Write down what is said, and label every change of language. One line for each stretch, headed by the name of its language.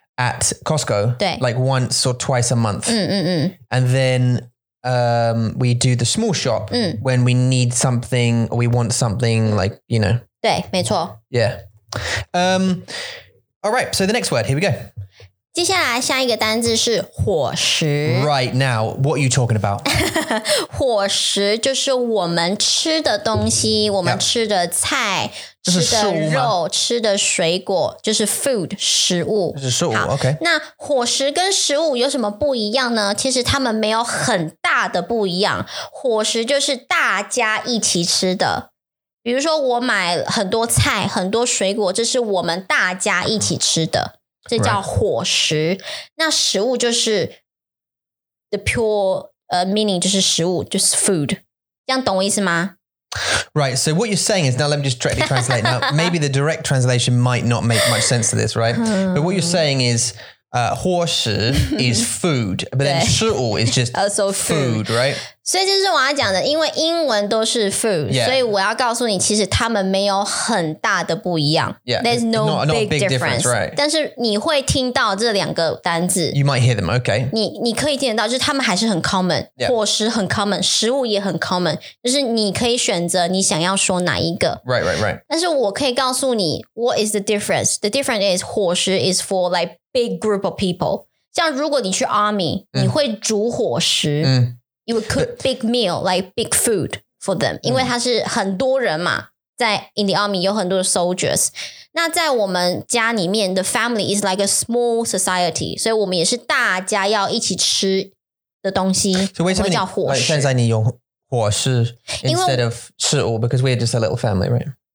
English: at Costco,
Chinese: 对
English: like once or twice a month. And then、we do the small shop、when we need something or we want something like, you know.
Chinese: 对没错。
English: Yeah.、all right, so the next word, here we go.
Chinese: 接下来下一个单字是伙食。
English: Right now, what are you talking about?
Chinese: 伙食就是我们吃的东西，我们吃的菜、吃的肉、吃的水果，就是 food, 食物。这是食物 ,OK。那伙食跟食物有什么不一样呢？其实它们没有很大的不一样。伙食就是大家一起吃的。比如说我买很多菜、很多水果，这是我们大家一起吃的。这叫伙食、right. 那食物就是
English: the pure meaning
Chinese: 就是食物就是 food 这样懂我意思吗
English: Right, so what you're saying is, now let me just directly translate. Now, maybe the direct translation might not make much sense to this, right? But what you're saying is, 伙食 is food, but then 食物 is just also food, right?
Chinese: 所以这是我要讲的，因为英文都是 food,、
English: yeah.
Chinese: 所以我要告诉你，其实他们没有很大的不一样。
English: Yeah, there's no big difference, right?
Chinese: 但是你会听到这两个单字
English: ，you might hear them, okay?
Chinese: 你可以听得到，就是他们还是很 common,、
English: yeah.
Chinese: 伙食很 common, 食物也很 common, 就是你可以选择你想要说哪一个。
English: Right.
Chinese: 但是我可以告诉你 ，
English: what is the difference? The difference is 伙食 is for like big group of people.
Chinese: 像如果你去 army,、你会煮伙食。
English: You would cook big meal, like big food for them.
Chinese: 因为他是很多人嘛，在
English: in the army
Chinese: 有很多 soldiers. 那在我们家里面
English: the family is like a small society.
Chinese: 所以我们也是大家要一起吃的东西。所以为什么叫伙食？
English: 现在你用伙食 instead of 食物 because we're just a little family, right?